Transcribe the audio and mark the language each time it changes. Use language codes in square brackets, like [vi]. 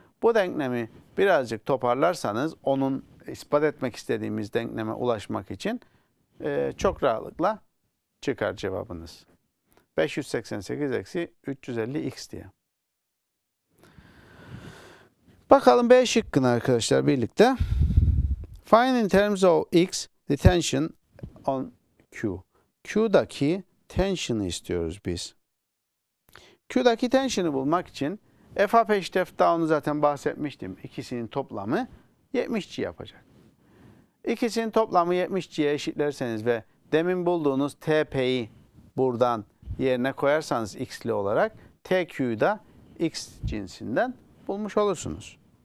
[tr] Bu denklemi birazcık toparlarsanız onun ispat etmek istediğimiz denkleme ulaşmak için çok rahatlıkla çıkar cevabınız. 588 eksi 350 x diye. Bakalım B şıkkını arkadaşlar birlikte. [en] Find in terms of x the tension on Q. [tr] Q'daki tension'ı istiyoruz biz. Q'daki tension'ı bulmak için F up eşit F down'u zaten bahsetmiştim. İkisinin toplamı 70G yapacak. İkisinin toplamı 70G'ye eşitlerseniz ve demin bulduğunuz TP'yi buradan yerine koyarsanız x'li olarak TQ'yu da x cinsinden bulmuş olursunuz.